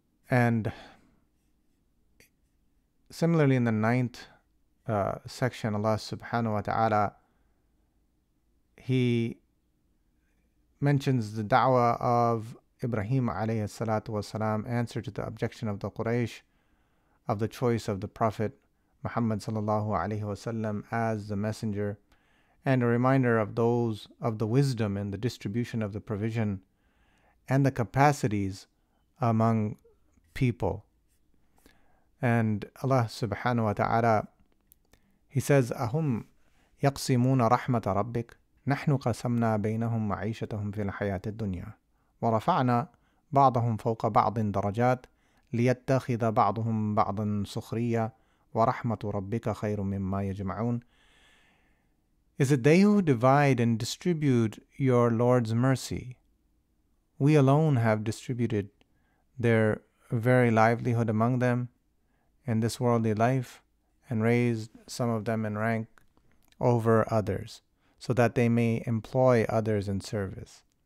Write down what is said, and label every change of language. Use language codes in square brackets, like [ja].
[en] And similarly, in the 9th section, Allah subhanahu wa ta'ala, He mentions the da'wah of Ibrahim alayhi salatu wasalam, answer to the objection of the Quraysh of the choice of the Prophet Muhammad sallallahu alayhi wasallam as the messenger, and a reminder of those of the wisdom and the distribution of the provision and the capacities among people. And Allah subhanahu wa ta'ala, He says, [ar] أَهُمْ يَقْسِمُونَ رَحْمَةَ رَبِّكَ نحن قسمنا بينهم معيشتهم في الحياة الدنيا ورفعنا بعضهم فوق بعض درجات ليتخذ بعضهم بعضا سخرية ورحمة ربك خير مما يجمعون. [en] Is it they who divide and distribute your Lord's mercy? We alone have distributed their very livelihood among them in this worldly life and raised some of them in rank over others, so that they may employ others in service.